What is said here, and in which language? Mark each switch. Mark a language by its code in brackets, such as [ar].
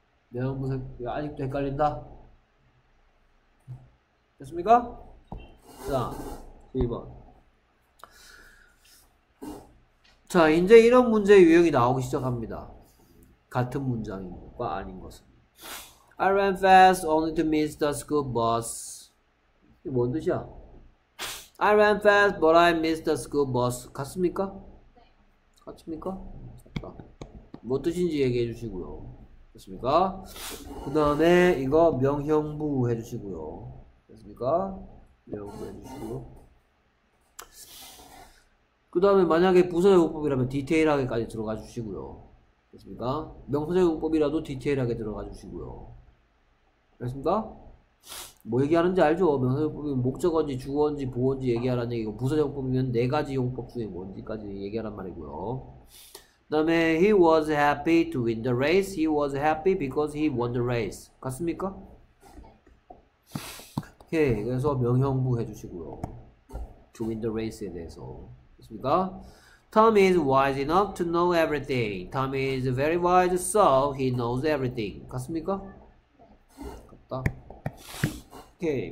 [ko] 명형분석 아직도 헷갈린다? 됐습니까? 자, 2번. 자, 이제 이런 문제의 유형이 나오기 시작합니다. 같은 문장인 것과 아닌 것은. [en] I ran fast only to miss the school bus. [ko] 이게 뭔 뜻이야? [en] I ran fast but I missed the school bus. [ko] 같습니까? 같습니까? 뭐 뜻인지 얘기해 주시고요. 됐습니까? 그 다음에 이거 명형부 해 주시고요. 됐습니까? 명형부 해 주시고요. 그 다음에 만약에 부사적 용법이라면 디테일하게까지 들어가 주시고요. 됐습니까? 명사적 용법이라도 디테일하게 들어가 주시고요. 됐습니까? 뭐 얘기하는지 알죠? 명사적 용법이면 목적어인지 주어인지 보어인지 얘기하라는 얘기고, 부사적 용법이면 네 가지 용법 중에 뭔지까지 얘기하란 말이고요. 그다음에 [en] he was happy to win the race. He was happy because he won the race. [ko] 같습니까? 오케이. 그래서 명형부 해주시고요. [en] To win the race [ko] 에 대해서. 그렇습니까? [en] Tom is wise enough to know everything. Tom is very wise, so he knows everything. [ko] 같습니까? 같다. 오케이.